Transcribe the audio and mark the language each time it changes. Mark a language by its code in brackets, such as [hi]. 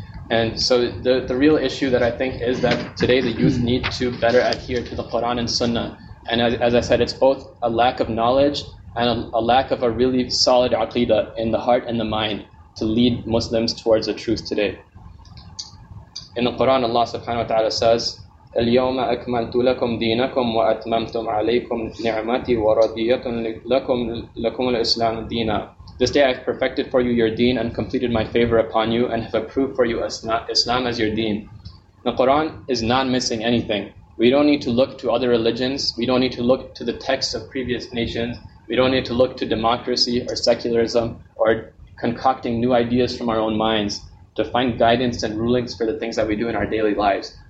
[en] And so the real issue that I think is that today the youth need to better adhere to the Quran and Sunnah. And as I said, it's both a lack of knowledge and a lack of a really solid aqidah in the heart and the mind to lead Muslims towards the truth today. In the Quran, Allah subhanahu wa ta'ala says, [ar] اليوم أكملت لكم دينكم وأتممت عليكم نعمتي ورضيت لكم الإسلام دينا. [en] This day I have perfected for you your deen and completed my favor upon you and have approved for you Islam as your deen. The Quran is not missing anything. We don't need to look to other religions. We don't need to look to the texts of previous nations. We don't need to look to democracy or secularism or concocting new ideas from our own minds to find guidance and rulings for the things that we do in our daily lives.